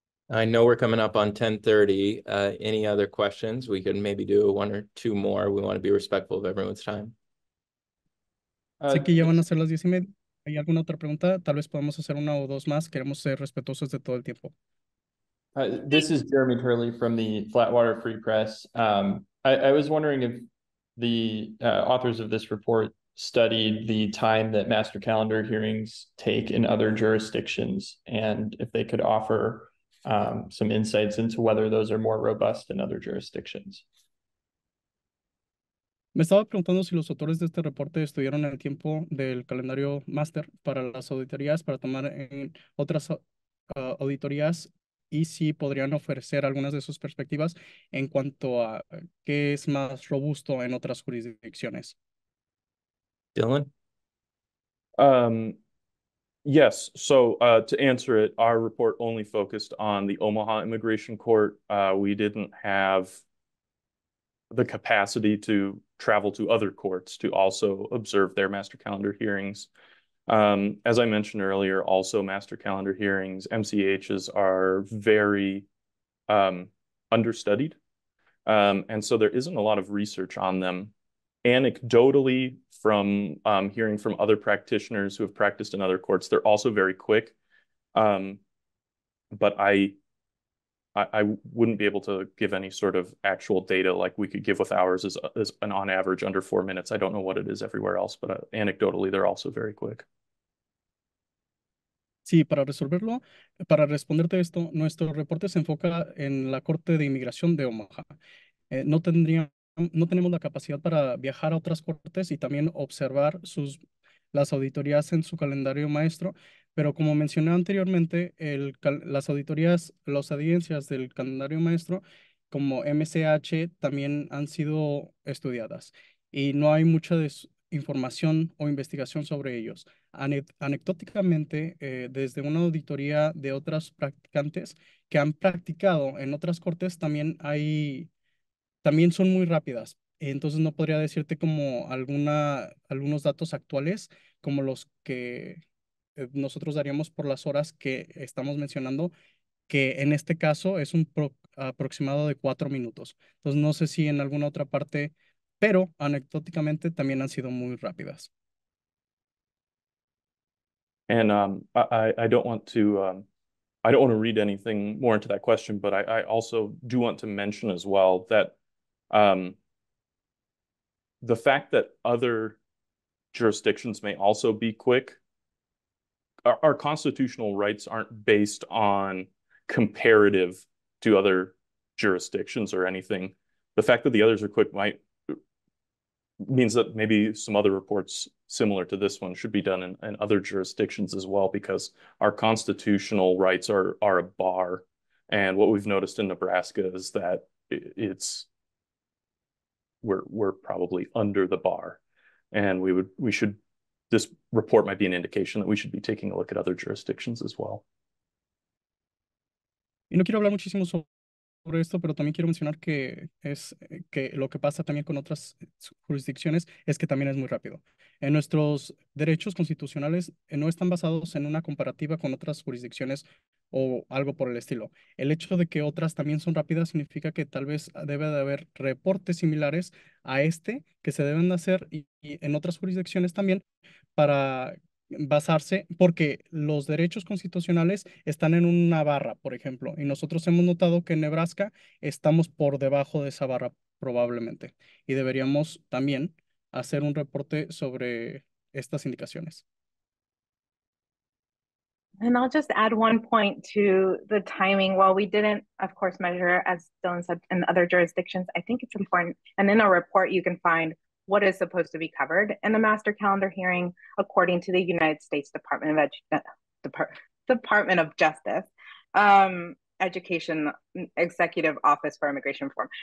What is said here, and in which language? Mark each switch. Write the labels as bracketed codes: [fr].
[en] I know we're coming up on 10:30. Any other questions? We could maybe do one or two more. We want to be respectful of everyone's time. [es] Sí, Sé que ya van a ser las 10:30. ¿Hay alguna otra pregunta? Tal vez podemos hacer una o dos más. Queremos ser respetuosos de todo el tiempo. [en] This is Jeremy Turley from the Flatwater Free Press. I was wondering if the authors of this report studied the time that master calendar hearings take in other jurisdictions and if they could offer some insights into whether those are more robust in other jurisdictions. [es] Me estaba preguntando si los autores de este reporte estudiaron el tiempo del calendario máster para las auditorías, para tomar en otras auditorías, y si podrían ofrecer algunas de sus perspectivas en cuanto a qué es más robusto en otras jurisdicciones. [en] Dylan? Yes. So to answer it, our report only focused on the Omaha Immigration Court. We didn't have the capacity to travel to other courts to also observe their master calendar hearings. As I mentioned earlier, also master calendar hearings, MCHs are very understudied. And so there isn't a lot of research on them. Anecdotally, from hearing from other practitioners who have practiced in other courts, they're also very quick. But I wouldn't be able to give any sort of actual data like we could give with ours as an on average under 4 minutes. I don't know what it is everywhere else, but anecdotally, they're also very quick. [es] Sí, para resolverlo, para responderte esto, nuestro reporte se enfoca en la Corte de Inmigración de Omaha. No tenemos la capacidad para viajar a otras cortes y también observar las auditorías en su calendario maestro, pero como mencioné anteriormente, las auditorías, las audiencias del calendario maestro como MCH también han sido estudiadas y no hay mucha información o investigación sobre ellos. Anecdóticamente, desde una auditoría de otras practicantes que han practicado en otras cortes, también son muy rápidas. Entonces no podría decirte como algunos datos actuales como los que nosotros daríamos por las horas que estamos mencionando, que en este caso es un aproximado de 4 minutos. Entonces no sé si en alguna otra parte, pero anecdóticamente también han sido muy rápidas. [en] And I don't want to read anything more into that question, but I also do want to mention as well that the fact that other jurisdictions may also be quick, our constitutional rights aren't based on comparative to other jurisdictions or anything. The fact that the others are quick means that maybe some other reports similar to this one should be done in other jurisdictions as well, because our constitutional rights are a bar. And what we've noticed in Nebraska is that we're probably under the bar, and this report might be an indication that we should be taking a look at other jurisdictions as well. [es] Y no quiero hablar muchísimo sobre esto, pero también quiero mencionar que lo que pasa también con otras jurisdicciones es que también es muy rápido. En nuestros derechos constitucionales no están basados en una comparativa con otras jurisdicciones o algo por el estilo. El hecho de que otras también son rápidas significa que tal vez debe de haber reportes similares a este que se deben hacer y en otras jurisdicciones también para basarse, porque los derechos constitucionales están en una barra, por ejemplo, y nosotros hemos notado que en Nebraska estamos por debajo de esa barra probablemente y deberíamos también hacer un reporte sobre estas indicaciones. [en] And I'll just add one point to the timing. While we didn't, of course, measure, as Dylan said, in other jurisdictions, I think it's important. And in a report, you can find what is supposed to be covered in a master calendar hearing, according to the United States Department of Department of Justice, Education Executive Office for Immigration Reform.